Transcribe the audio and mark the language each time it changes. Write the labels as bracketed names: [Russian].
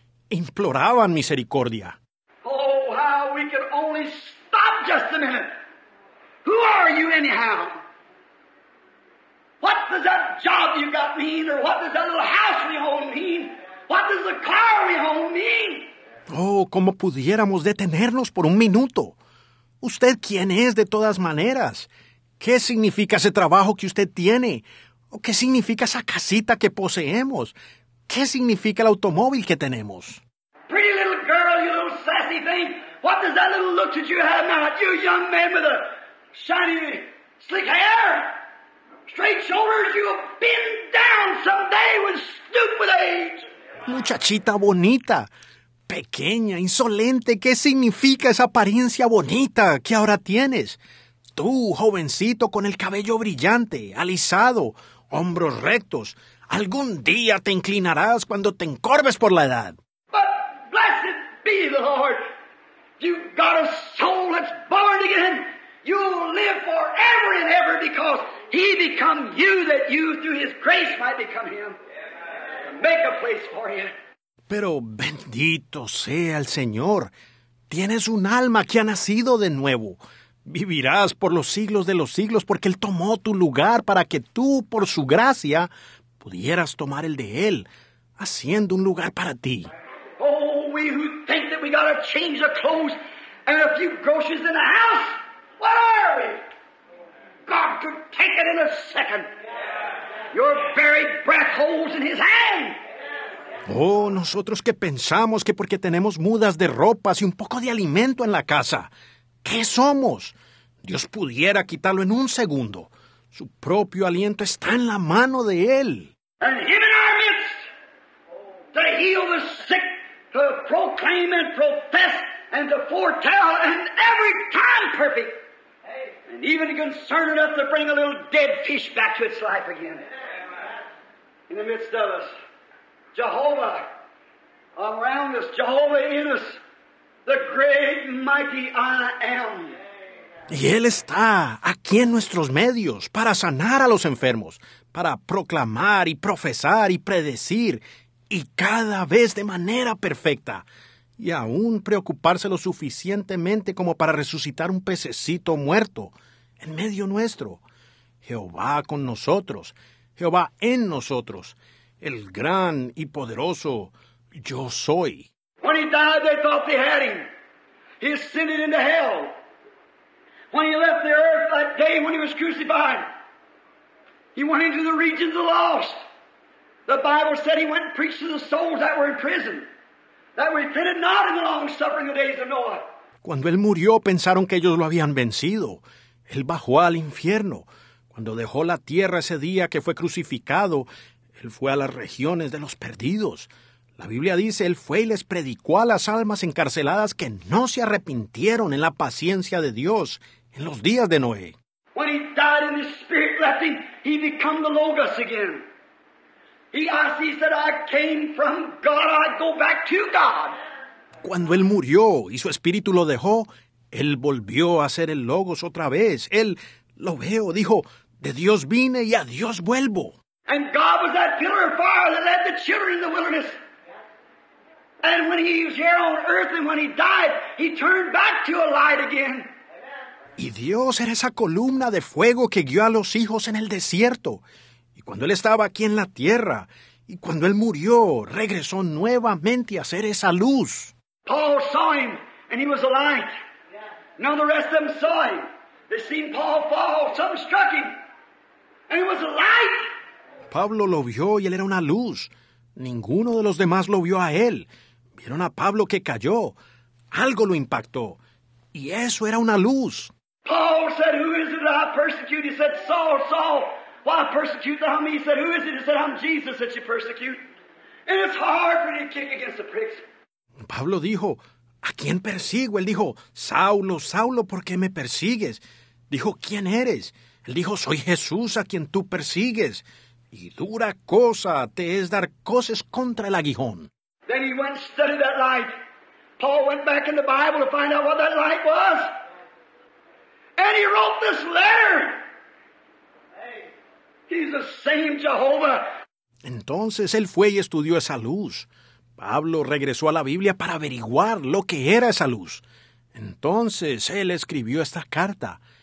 [Spanish] Imploraban misericordia. [English] Oh, how we could only stop just a minute. Who are you anyhow? What does that job you got mean? Or what does that little house we own mean? What does the car we own mean? [Spanish] Oh, cómo pudiéramos detenernos por un minuto. ¿Usted quién es de todas maneras? ¿Qué significa ese trabajo que usted tiene? ¿O qué significa esa casita que poseemos? ¿Qué significa el automóvil que tenemos? [English] Pretty little girl, you little sassy thing. What does that little look that you have now? You young man with a shiny, slick hair, straight shoulders, you'll bend down someday with stupid age. [Spanish] Muchachita bonita, pequeña, insolente, ¿qué significa esa apariencia bonita que ahora tienes? Tú, jovencito, con el cabello brillante, alisado, hombros rectos, algún día te inclinarás cuando te encorves por la edad. [English] But blessed be the Lord, you've got a soul that's born again. You'll live forever and ever because he become you that you through his grace might become him. Make a place for you. [Spanish] Pero bendito sea el Señor. Tienes un alma que ha nacido de nuevo. Vivirás por los siglos de los siglos porque él tomó tu lugar para que tú, por su gracia, pudieras tomar el de él, haciendo un lugar para ti. [English] Oh, we who think that we gotta change the clothes and a few groceries in the house. What are we? God could take it in a second. Your very breath holds in his hand. [Spanish] Oh, nosotros que pensamos que porque tenemos mudas de ropas y un poco de alimento en la casa, ¿qué somos? Dios pudiera quitarlo en un segundo. Su propio aliento está en la mano de él. [English] And him in our midst, to heal the sick, to proclaim and profess and to foretell and every time perfect. And even concerned enough to bring a little dead fish back to its life again. In the midst of us. Jehovah, around us, Jehovah in us, the great mighty I am. [Spanish] Y él está aquí en nuestros medios para sanar a los enfermos, para proclamar y profesar y predecir, y cada vez de manera perfecta, y aún preocuparse lo suficientemente como para resucitar un pececito muerto en medio nuestro. Jehová con nosotros, Jehová en nosotros, el gran y poderoso yo soy. [English] When he died, they thought they had him. He ascended into hell. When he left the earth that day when he was crucified, he went into the regions of the lost. The Bible said he went and preached to the souls that were in prison, that repented not in the long suffering of the days of Noah. [Spanish] Cuando él murió, pensaron que ellos lo habían vencido. Él bajó al infierno. Cuando dejó la tierra ese día que fue crucificado, él fue a las regiones de los perdidos, La Biblia dice, Él fue y les predicó a las almas encarceladas que no se arrepintieron en la paciencia de Dios en los días de Noé. [English] When he died and his spirit left him, he became the Logos again. He said, I came from God, I go back to God. [Spanish] Cuando él murió y su espíritu lo dejó, él volvió a ser el Logos otra vez. Él lo veo, dijo, de Dios vine y a Dios vuelvo. [English] And God was that pillar of fire that led the children in the wilderness. And when he was here on earth and when he died, he turned back to a light again. [Spanish] Y Dios era esa columna de fuego que guió a los hijos en el desierto. Y cuando Él estaba aquí en la tierra, y cuando Él murió, regresó nuevamente a ser esa luz. [English] Paul saw him, and he was a light. Now the rest of them saw him. They seen Paul fall, something struck him, and he was a light. [Spanish] Pablo lo vio, y Él era una luz. Ninguno de los demás lo vio a Él. Vieron a Pablo que cayó. Algo lo impactó, y eso era una luz. [English] Paul said, who is it that I persecute? He said, Saul, Saul, why persecute thou me? He said, who is it? He said, I'm Jesus that you persecute. And it's hard for you to kick against the pricks. [Spanish] Pablo dijo, ¿a quién persigo? Él dijo, Saulo, Saulo, ¿por qué me persigues? Dijo, ¿quién eres? Él dijo, soy Jesús a quien tú persigues. Y dura cosa te es dar coces contra el aguijón. [English] Then he went and studied that light. Paul went back in the Bible to find out what that light was. And he wrote this letter. He's the same Jehovah. [Spanish] Entonces él fue y estudió esa luz. Pablo regresó a la Biblia para averiguar lo que era esa luz. Entonces él escribió esta carta.